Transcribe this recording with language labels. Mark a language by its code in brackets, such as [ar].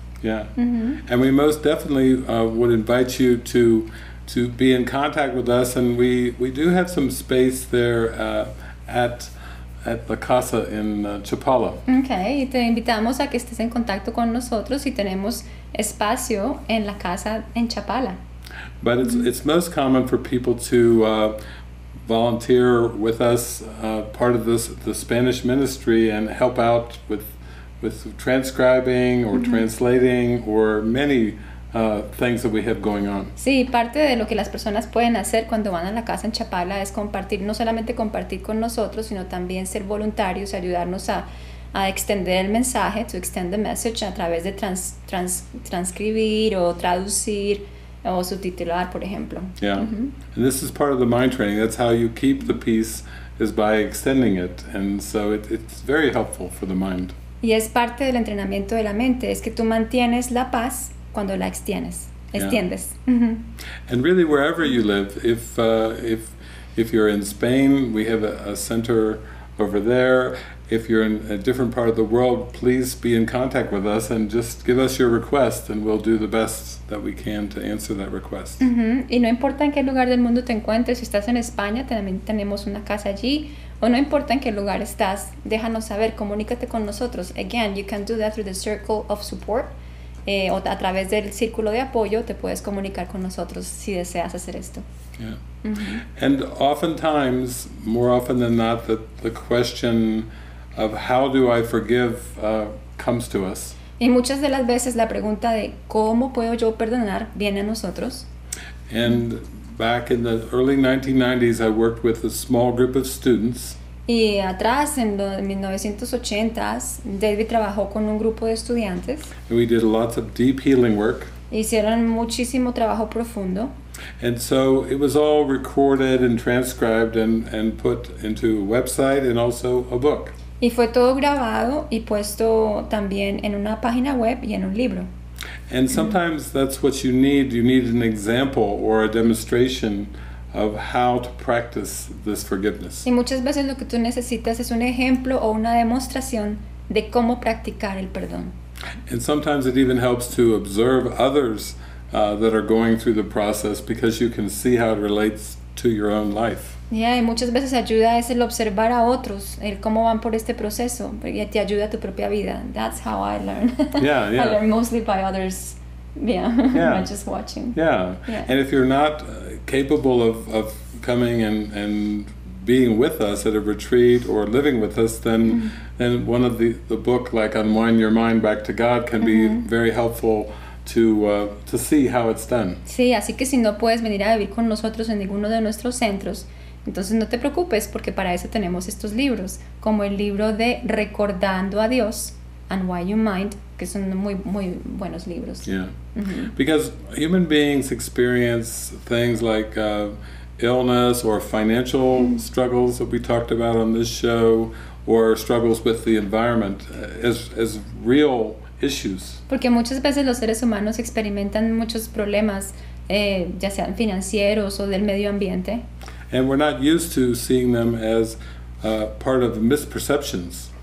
[en] Yeah. Mm-hmm. And we most definitely would invite you to be in contact with us. And we do have some space there at the casa in Chapala. [es] Okay, y te invitamos a que estés en contacto con nosotros y tenemos espacio en la casa en Chapala. [en] But it's mm-hmm. it's most common for people to volunteer with us part of the Spanish ministry and help out with transcribing or mm-hmm. translating or many things that we have going on. [es] Sí, parte de lo que las personas pueden hacer cuando van a la casa en Chapala es compartir, no solamente compartir con nosotros, sino también ser voluntarios, ayudarnos a extender el mensaje, [en] to extend the message [es] a través de transcribir o traducir o subtitular, por ejemplo. Yeah. Mm-hmm. [en] And this is part of the mind training. That's how you keep the peace, is by extending it. And so it's very helpful for the mind. [es] Y es parte del entrenamiento de la mente, es que tú mantienes la paz cuando la extiendes. Yeah. Mm-hmm. [en] And really, wherever you live, if you're in Spain, we have a center over there. If you're in a different part of the world, please be in contact with us and just give us your request, and we'll do the best that we can to answer that request. [es] Mm-hmm. Y no importa en qué lugar del mundo te encuentres, si estás en España, también tenemos una casa allí. O no importa en qué lugar estás, déjanos saber, comunícate con nosotros. [en] Again, you can do that through the circle of support. [es] O a través del círculo de apoyo te puedes comunicar con nosotros si deseas hacer esto. Yeah. Mm-hmm. [en] And oftentimes, more often than not, the question of how do I forgive comes to us. [es] Y muchas de las veces la pregunta de cómo puedo yo perdonar viene a nosotros. [en] And back in the early 1990s, I worked with a small group of students. [es] Y atrás, en los 1980s, David trabajó con un grupo de estudiantes. [en] And we did lots of deep healing work. [es] Hicieron muchísimo trabajo profundo. [en] And so it was all recorded and transcribed and put into a website and also a book. [es] Y fue todo grabado y puesto también en una página web y en un libro. [en] And sometimes that's what you need. You need an example or a demonstration of how to practice this forgiveness. [es] Y muchas veces lo que tú necesitas es un ejemplo o una demostración de cómo practicar el perdón. [en] And sometimes it even helps to observe others that are going through the process, because you can see how it relates to your own life. [es] Yeah, y muchas veces ayuda es el observar a otros, el cómo van por este proceso, y te ayuda a tu propia vida. [en] That's how I learn. Yeah. I learn mostly by others. Yeah. Not just watching. Yeah. And if you're not capable of coming and being with us at a retreat or living with us, then mm-hmm. then one of the book, like Unwind Your Mind Back to God, can mm-hmm. be very helpful to see how it's done. [es] Sí, así que si no puedes venir a vivir con nosotros en ninguno de nuestros centros, entonces no te preocupes, porque para eso tenemos estos libros, como el libro de Recordando a Dios, and Why You Mind, que son muy, muy buenos libros. [en] Yeah, mm-hmm. because human beings experience things like illness or financial mm-hmm. struggles that we talked about on this show, or struggles with the environment as real issues. [es] Porque muchas veces los seres humanos experimentan muchos problemas, ya sean financieros o del medio ambiente. [en] And we're not used to seeing them as part of misperceptions.